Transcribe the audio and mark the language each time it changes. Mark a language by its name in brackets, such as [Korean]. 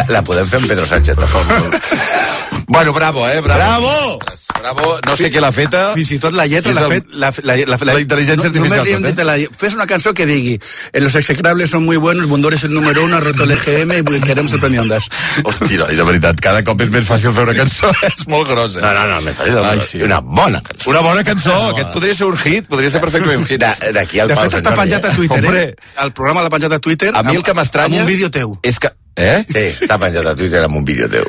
[Catalan] La podem fer amb Pedro Sánchez, de fons. Bueno, bravo, eh? Bravo! Bravo! Bravo, no sé qui l'ha feta. Fins i tot la lletra l'ha fet. La intel·ligència artificial. Només li hem dit, fes una cançó que digui en [Spanish] los execrables son muy buenos, Bundor es el número uno, ha roto el EGM y queremos el premio Ondas. [Catalan] Hòstia, i de veritat, cada cop és més fàcil fer una cançó, és molt gros, eh? No, més fàcil. Ai, sí. Una bona cançó. Una bona cançó, aquest podria ser un hit, podria ser perfectament un hit. D'aquí al de fet, està penjat a Twitter, [Spanish] Hombre. [Catalan] El programa l'ha penjat a Twitter. A mi el que m'estranya... Amb un vídeo teu. És que... Sí, està penjat a Twitter amb un vídeo teu.